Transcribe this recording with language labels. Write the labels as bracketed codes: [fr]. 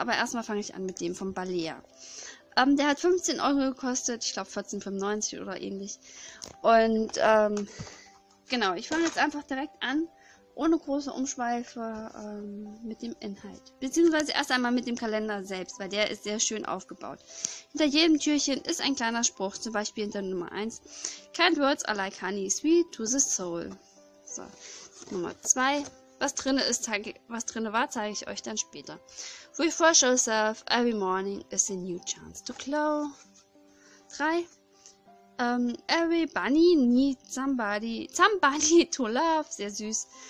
[de] Aber erstmal fange ich an mit dem von Balea. Der hat 15 Euro gekostet, ich glaube 14,95 oder ähnlich. Und genau, ich fange jetzt einfach direkt an, ohne große Umschweife, mit dem Inhalt. Beziehungsweise erst einmal mit dem Kalender selbst, weil der ist sehr schön aufgebaut. Hinter jedem Türchen ist ein kleiner Spruch, zum Beispiel hinter Nummer 1. [en] Kind words are like honey, sweet to the soul. [de] So, Nummer 2. Was drin ist, zeige ich euch dann später. [en] Refresh yourself, every morning is a new chance to glow. 3. Every bunny needs somebody to love. [de] Sehr süß.